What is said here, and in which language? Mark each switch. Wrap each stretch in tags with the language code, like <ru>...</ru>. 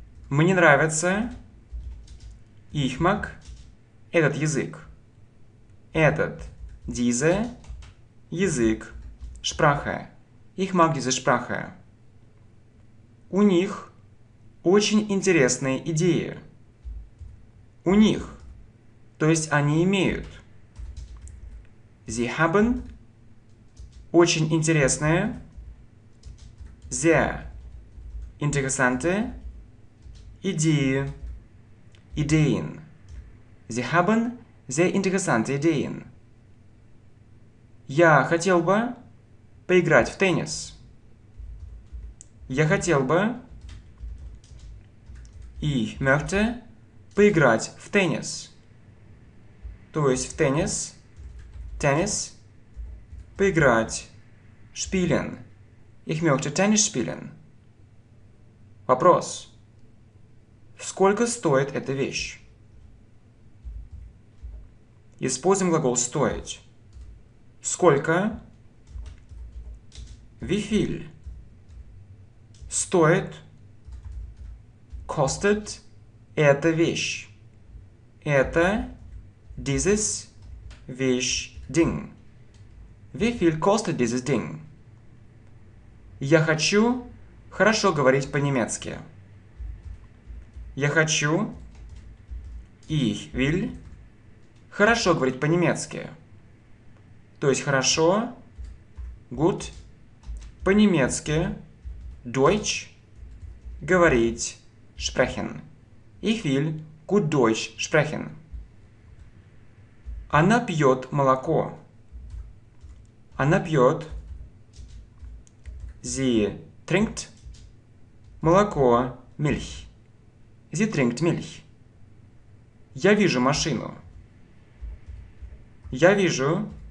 <ru>Мне нравится,</ru> <de>ich mag,</de> <ru>этот язык. Этот,</ru> <de>diese,</de> <ru>язык,</ru> <de>Sprache. Ich mag diese Sprache.</de> <ru>У них очень интересные идеи. У них, то есть они имеют.</ru> <de>Sie haben</de> <ru>очень интересные.</ru> <de>Sehr interessante</de> <ru>идеи.</ru> <de>Ideen. Sie haben sehr interessante Ideen.</de> <ru>Я хотел бы поиграть в теннис. Я хотел бы.</ru> <de>Ich möchte</de> <ru>поиграть в теннис. То есть в теннис. Теннис. Поиграть.</ru> <de>Spielen. Ich möchte Tennis spielen.</de> <ru>Вопрос. Сколько стоит эта вещь? Используем глагол стоить. Сколько?</ru> <de>Wie viel?</de> <ru>Стоит.</ru> <de>Costed</de> <ru>– это вещь. Это –</ru> <de>dieses</de> <ru>– вещь,</ru> <de>ding. Wie viel costed dieses ding?</de> <ru>Я хочу хорошо говорить по-немецки. Я хочу –</ru> <de>ich will</de> <ru>– хорошо говорить по-немецки. То есть хорошо –</ru> <de>gut</de> <ru>– по-немецки –</ru> <de>deutsch</de> <ru>– говорить –</ru> <de>sprechen. Ich will gut Deutsch sprechen.</de> <ru>Она пьет молоко. Она пьет.</ru> <de>Sie trinkt</de> <ru>молоко,</ru> <de>Milch. Sie trinkt Milch.</de> <ru>Я вижу машину. Я вижу.</ru>